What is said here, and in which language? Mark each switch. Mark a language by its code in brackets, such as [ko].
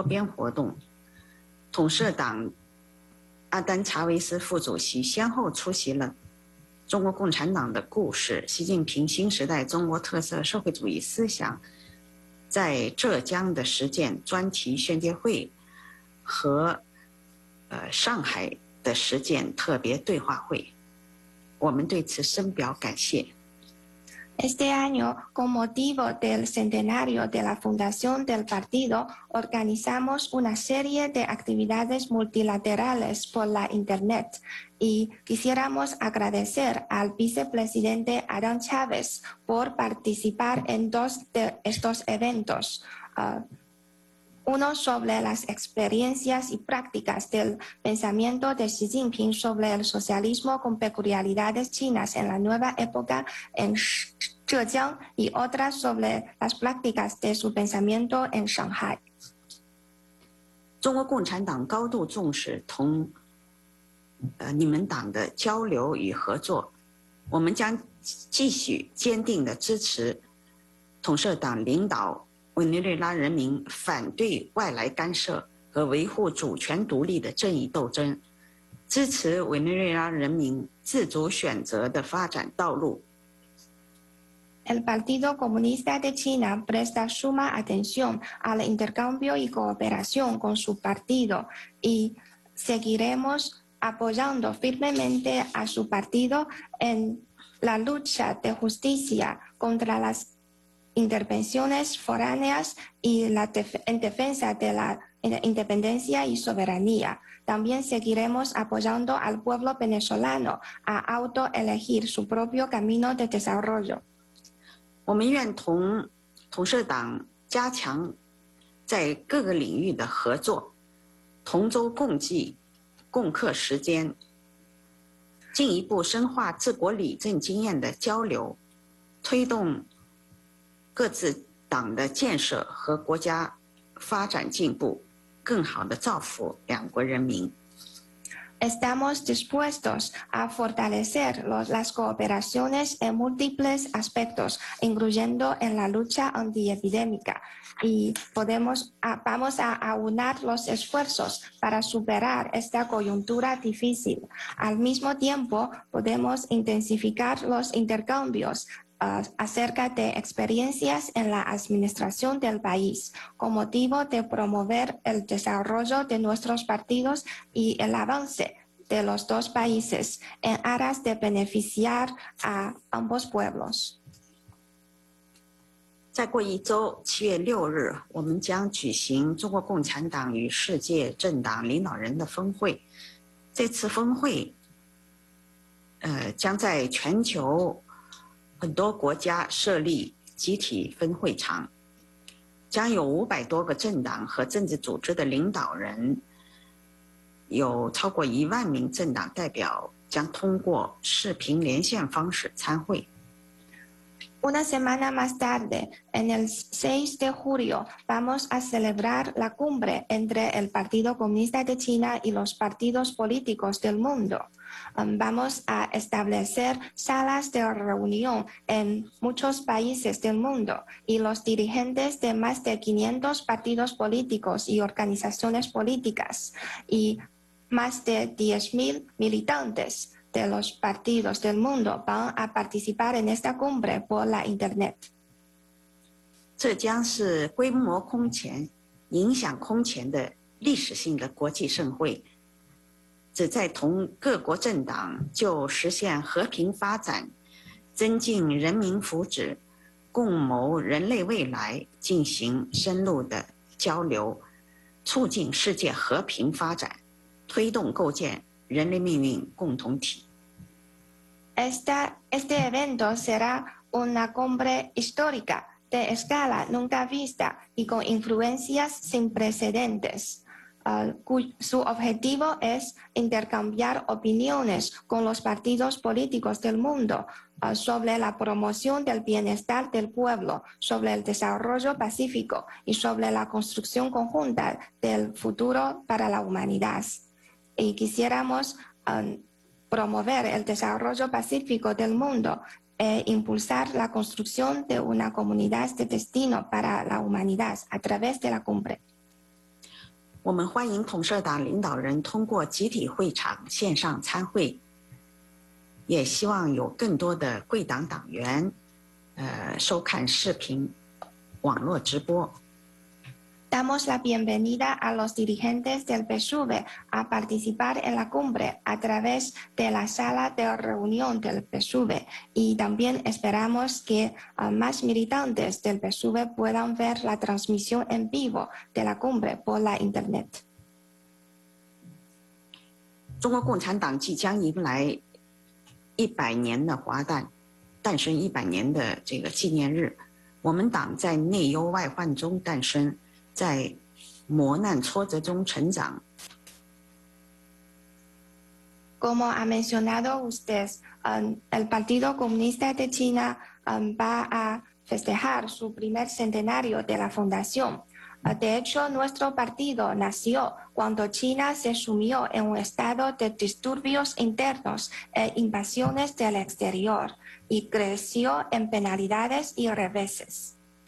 [zh] 今年呢，我们围绕着庆祝中国共产党建党100周年，举办了一系列的线上的国际多边活动。同社党 阿丹·查韦斯副主席先后出席了中国共产党的故事、习近平新时代中国特色社会主义思想、在浙江的实践专题宣介会和上海的实践特别对话会。我们对此深表感谢。 [es] Este año, con motivo del centenario de la fundación del partido, organizamos una serie de actividades multilaterales por la Internet y quisiéramos agradecer al vicepresidente Adán Chávez por participar en dos de estos eventos. Uno sobre las experiencias y prácticas del pensamiento de Xi Jinping sobre el socialismo con peculiaridades chinas en la nueva época en Zhejiang y otra sobre las prácticas de su pensamiento en Shanghai. [zh] 中国共产党高度重视同你们党的交流与合作，我们将继续坚定的支持统社党领导委内瑞拉人民反对外来干涉和维护主权独立的正义斗争，支持委内瑞拉人民自主选择的发展道路。 [es] El Partido Comunista de China presta suma atención al intercambio y cooperación con su partido y seguiremos apoyando firmemente a su partido en la lucha de justicia contra las intervenciones foráneas y en defensa de la independencia y soberanía. También seguiremos apoyando al pueblo venezolano a autoelegir su propio camino de desarrollo. [zh] 我们愿同统社党加强在各个领域的合作，同舟共济，共克时艰，进一步深化治国理政经验的交流，推动各自党的建设和国家发展进步，更好地造福两国人民。 [es] Estamos dispuestos a fortalecer las cooperaciones en múltiples aspectos, incluyendo en la lucha antiepidémica. Y vamos a aunar los esfuerzos para superar esta coyuntura difícil. Al mismo tiempo, podemos intensificar los intercambios acerca de experiencias en la administración del país, con motivo de promover el desarrollo de nuestros partidos y el avance de los dos países en aras de beneficiar a ambos pueblos. [zh] 再过一周，七月六日，我们将举行中国共产党与世界政党领导人的峰会。这次峰会，将在全球很多国家设立集体分会场，将有500多个政党和政治组织的领导人，有超过10,000名政党代表将通过视频连线方式参会。 [es] Una semana más tarde, en el 6 de julio, vamos a celebrar la cumbre entre el Partido Comunista de China y los partidos políticos del mundo. Vamos a establecer salas de reunión en muchos países del mundo y los dirigentes de más de 500 partidos políticos y organizaciones políticas y más de 10,000 militantes de los partidos del mundo van a participar en esta cumbre por la Internet. [zh] 这将是规模空前、影响空前的历史性的国际盛会，旨在同各国政党就实现和平发展、增进人民福祉、共谋人类未来进行深入的交流，促进世界和平发展，推动构建人类命运共同体。 [es] Este evento será una cumbre histórica de escala nunca vista y con influencias sin precedentes. Su objetivo es intercambiar opiniones con los partidos políticos del mundo sobre la promoción del bienestar del pueblo, sobre el desarrollo pacífico y sobre la construcción conjunta del futuro para la humanidad. Y quisiéramos promover el desarrollo pacífico del mundo e impulsar la construcción de una comunidad de destino para la humanidad a través de la cumbre. [zh] 我们欢迎统社党领导人通过集体会场线上参会，也希望有更多的贵党党员收看视频网络直播。 [es] Damos la bienvenida a los dirigentes del PSUV a participar en la cumbre a través de la sala de reunión del PSUV y también esperamos que más militantes del PSUV puedan ver la transmisión en vivo de la cumbre por la Internet. [zh] 中国共产党即将迎来100年的华诞，诞生100年的这个纪念日，我们党在内忧外患中诞生，在磨难挫折中成长。 [es] Como ha mencionado usted, el Partido Comunista de China va a festejar su primer centenario de la fundación. De hecho, nuestro partido nació cuando China se sumió en un estado de disturbios internos e invasiones del exterior y creció en penalidades y reveses.